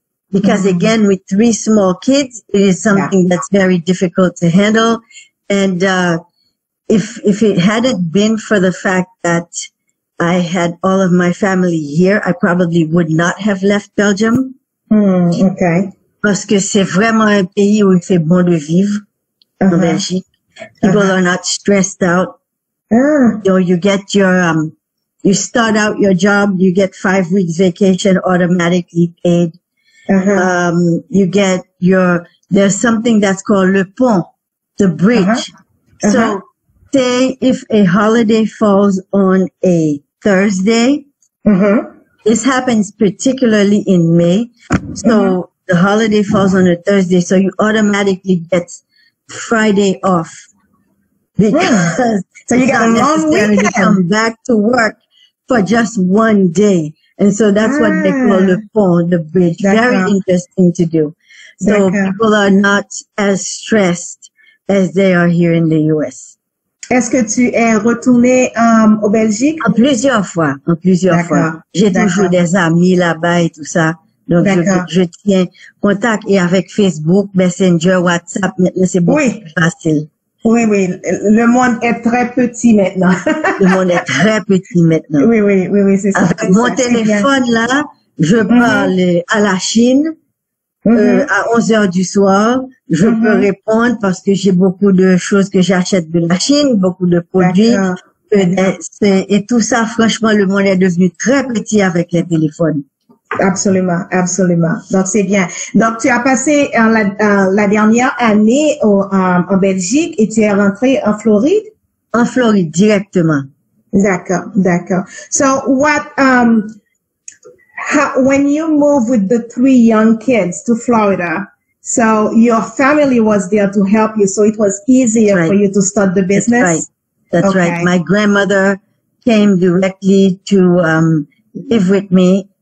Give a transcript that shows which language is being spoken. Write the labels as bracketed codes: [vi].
[en] Because again, with three small kids, it is something that's very difficult to handle. And if it hadn't been for the fact that I had all of my family here, I probably would not have left Belgium. Okay. [fr] Parce que c'est vraiment un pays où il fait bon de vivre en Belgique. [en] People are not stressed out. You know, you get your, you start out your job, you get 5 weeks vacation automatically paid. You get your, there's something that's called le pont, the bridge. So say if a holiday falls on a Thursday, this happens particularly in May. So the holiday falls on a Thursday. So you automatically get Friday off. Because so you got a long weekend to come back to work for just one day. And so that's what they call the pont, the bridge. That very counts. Interesting to do. So people are not as stressed as they are here in the U.S. [fr] Est-ce que tu es retourné au Belgique? En plusieurs fois. J'ai toujours des amis là-bas et tout ça. Donc je tiens contact et avec Facebook, Messenger, WhatsApp, maintenant c'est beaucoup plus facile. Oui, le monde est très petit maintenant. Oui, c'est ça. Avec mon téléphone, là, je parle à la Chine à 11h du soir. Je peux répondre parce que j'ai beaucoup de choses que j'achète de la Chine, beaucoup de produits. Et tout ça, franchement, le monde est devenu très petit avec les téléphones. Absolument, absolument. Donc, c'est bien. Donc, tu as passé la dernière année en Belgique et tu es rentré en Floride? En Floride, directement. D'accord, d'accord. [en] So, when you moved with the three young kids to Florida, so your family was there to help you, so it was easier for you to start the business? That's right. That's okay. Right. My grandmother came directly to live with me.